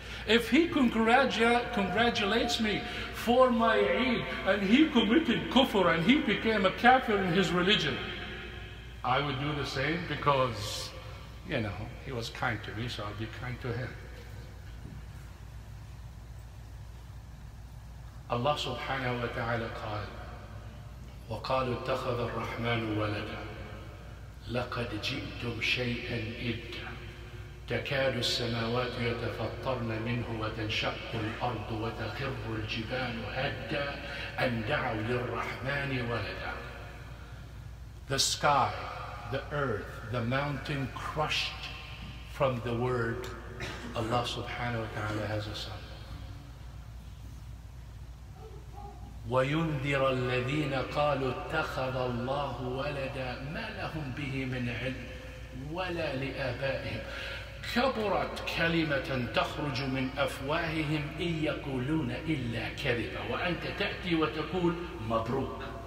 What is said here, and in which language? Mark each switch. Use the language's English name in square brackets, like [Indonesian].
[English] If he congratulates me for my Eid and he committed kufr and he became a kafir in his religion, I would do the same because, you know, he was kind to me, so I'll be kind to him. [Arabic] Allah subhanahu wa ta'ala qal, وَقَالُوا اتَّخَذَ الرَّحْمَنُ وَلَدًا لَقَدْ جِئْتُمْ شَيْئًا إِدًّا تكاد السماوات يتفطرن منه وتنشق الأرض وتخر الجبال هدا أن دعوا للرحمن ولدا. [English] The sky, the earth, the mountain crushed from the word Allah subhanahu wa ta'ala has a son. [Arabic] وينذر الذين قالوا اتخذ الله ولدا ما لهم به من علم ولا لآبائهم كبرت كلمة تخرج من أفواههم إن يقولون إلا كذبا وأنت تأتي وتقول مبروك.